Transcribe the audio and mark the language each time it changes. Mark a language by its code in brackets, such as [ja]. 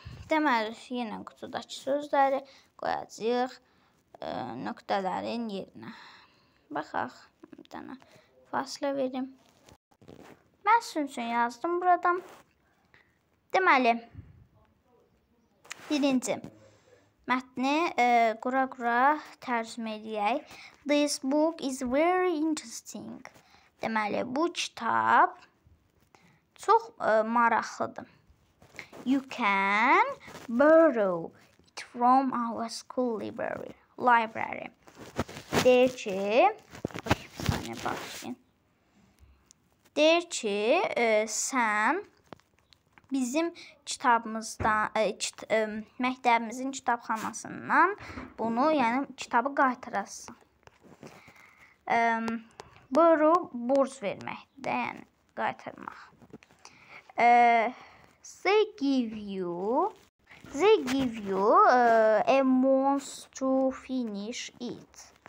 [az] Deməli, yenə qutudakı sözləri qoyacaq nöqtələrin yerinə. Baxaq, bir dənə fasilə verim. Mən sizin üçün yazdım buradan. Deməli, birinci mətni qura-qura tərcümə edək. [en] This book is very interesting. [az] Deməli, bu kitab çox maraqlıdır. [en] You can borrow it from our school library. Library. [az] Deyir ki, bir saniyə başlayın. Deyir ki, sən bizim kitabımızdan, məktəbimizin kitabxanasından bunu, yəni kitabı qaytarasın. Borrow, borc vermək, yəni qaytarmaq. [en] They give you a month to finish it.